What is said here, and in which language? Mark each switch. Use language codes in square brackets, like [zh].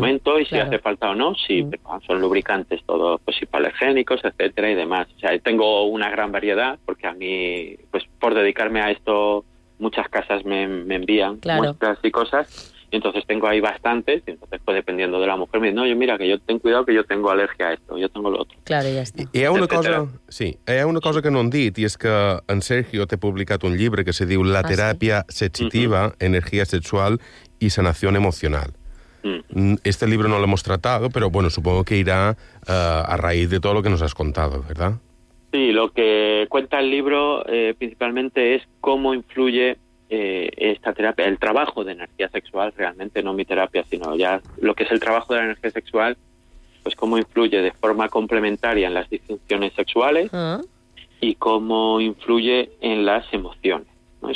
[es] Momento y si hace falta o no, sí, pero son lubricantes todos, pues hipoalergénicos, etcétera y demás. O sea, tengo una gran variedad, porque a mí, pues por dedicarme a esto, muchas casas me envían muestras y cosas... Y entonces tengo ahí bastantes, y entonces pues dependiendo de la mujer, me dice, no, yo mira, que yo ten cuidado, que yo tengo alergia a esto, yo tengo lo otro. Claro, ya está. Y hay una cosa que [ca] no han dit, i és que en Sergio t'he publicat un llibre que se diu La teràpia sensitiva, energia sexual i sanación emocional. [es] Este libro no lo hemos tratado, pero bueno, supongo que irá a raíz de todo lo que nos has contado, ¿verdad? Sí, lo que cuenta el libro principalmente es cómo influye esta terapia, el trabajo de energía sexual, realmente no mi terapia, sino ya lo que es el trabajo de la energía sexual, pues cómo influye de forma complementaria en las disfunciones sexuales y cómo influye en las emociones, ¿no?